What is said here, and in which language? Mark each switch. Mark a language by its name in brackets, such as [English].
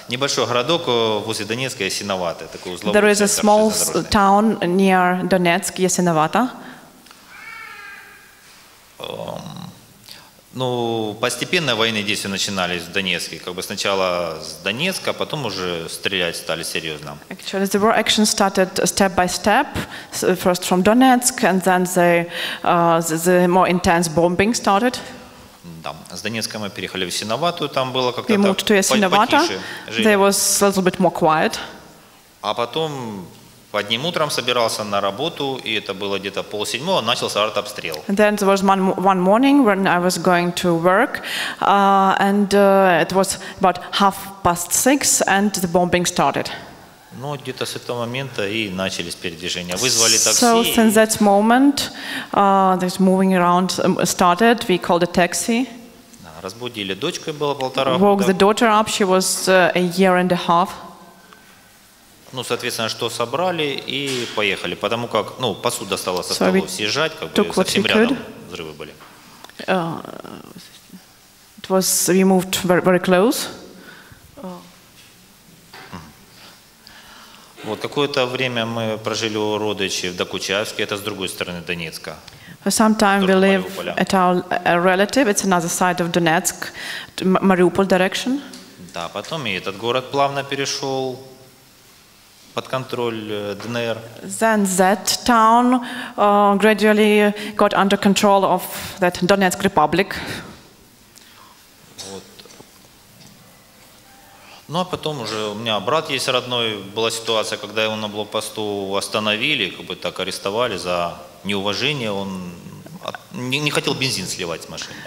[Russian] Небольшой городок возле Донецка, Ясиновато. Такой узловой. [English] There is a small town near Donetsk, Ясиновато. [Russian] Ну, постепенно военные действия начинались в Донецке. Как бы сначала с Донецка, а потом уже стрелять стали серьезно. [English] Actually, the war action started step by step. First from Donetsk, and then the more intense bombing started. [Russian] Да. С Донецка мы переехали в Ясиновато, там было как-то так потише. [English] There was a little bit more quiet. [Russian] А потом Одним утром собирался на работу, и это было где-то 6:30, начался артобстрел. [English] Then there was one morning when I was going to work, it was about 6:30, and the bombing started. [Russian] Ну, где-то с этого момента и начались передвижения. Вызвали такси. [English] So since that moment, this moving around started, we called a taxi. [Russian] Разбудили дочку, было 1.5 года. [English] Woke the daughter up, she was 1.5 years. [Russian] Ну, соответственно, что собрали и поехали, потому как, ну, посуда стала со столов съезжать, как бы совсем рядом взрывы были. [English] It was we moved very, very close. [Russian] Вот какое-то время мы прожили у родичей в Докучаевске, это с другой стороны Донецка. [English] Sometime we live at our relative, it's another side of Donetsk, Mariupol direction. [Russian] Да, потом и этот город плавно перешел под контроль ДНР. [English] Then that town gradually got under control of that Donetsk Republic. [Russian] Вот. Ну а потом уже у меня брат есть родной, была ситуация, когда его на блокпосту остановили, как бы так арестовали за неуважение, он не хотел бензин сливать с машины.